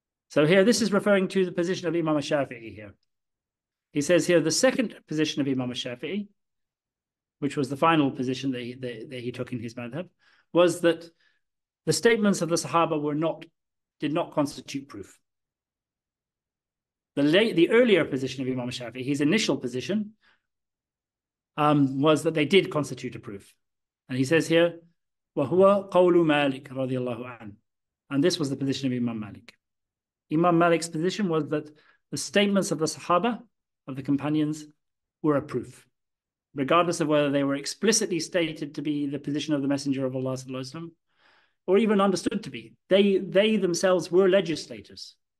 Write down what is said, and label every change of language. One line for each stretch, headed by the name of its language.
English: So here, this is referring to the position of Imam al-Shafi'i here. He says here, the second position of Imam al-Shafi'i, which was the final position that he took in his madhab, was that the statements of the Sahaba did not constitute proof. The earlier position of Imam al-Shafi'i, his initial position, was that they did constitute a proof. And he says here,
Arabic: وَهُوَ قَوْلُ مَالِكَ رَضِيَ اللَّهُ عَنْهُ.
English: And this was the position of Imam Malik. Imam Malik's position was that the statements of the Sahaba, of the companions, were a proof, regardless of whether they were explicitly stated to be the position of the Messenger of Allah sallallahu alaihi wasallam, or even understood to be. They themselves were legislators.